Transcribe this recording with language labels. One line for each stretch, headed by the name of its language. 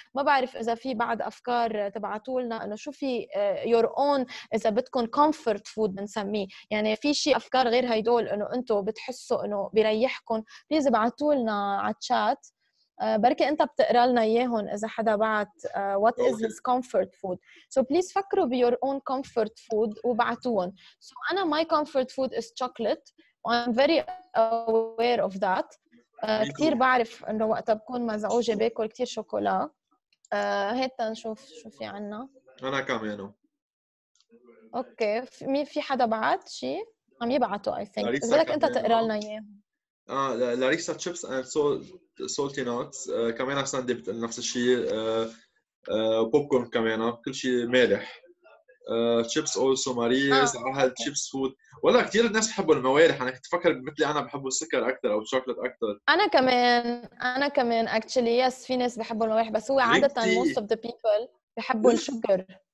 Arabic: ما بعرف إذا في بعد أفكار تبعتولنا أنه شو في your own إذا بتكون comfort food بنسميه، يعني في شيء أفكار غير هيدول أنه أنتوا بتحسوا أنه بيريحكم، بليز بعتولنا على الشات. بركة أنت بتقرأ لنا إياهن إذا حدا بعت
English: what is his comfort food. So please
Arabic: فكروا ب
English: your own comfort food
Arabic: وبعتوهن.
English: So أنا my comfort food is chocolate. I'm very aware of that.
Arabic: كتير بعرف أنه وقتها بكون مزعوجة بأكل كتير شوكولا. هيتا نشوف شو في عنا. أنا كمان. أوكي، في حدا بعت شيء؟ عم يبعتوا
English: I think.
Arabic: إذا لك أنت تقرأ لنا إياه.
English: Larissa chips and salty nuts.
Arabic: كمان سندي بتقل نفس الشيء. popcorn كمان. كل شيء مالح.
English: chips also Mariz. أهل chips food.
Arabic: والله كتير الناس بحبوا الموالح. أنا تفكر مثلي أنا بحبوا السكر أكتر أو الشوكولات أكتر. أنا كمان
English: actually yes
Arabic: في ناس بحبوا الموالح بس هو عادة
English: most of the people
Arabic: بحبوا السكر.